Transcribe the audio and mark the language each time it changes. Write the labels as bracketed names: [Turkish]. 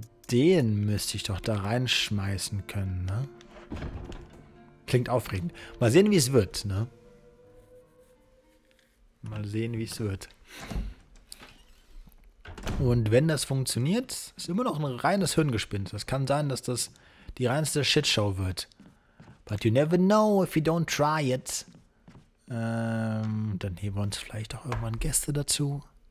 [German] Den müsste ich doch da reinschmeißen können, ne? Klingt aufregend. Mal sehen, wie es wird, ne? Mal sehen, wie es wird. Und wenn das funktioniert, ist immer noch ein reines Hirngespinst. Es kann sein, dass das die reinste Shitshow wird. [English] But you never know if you don't try it. [German] Dann nehmen wir uns vielleicht auch irgendwann Gäste dazu.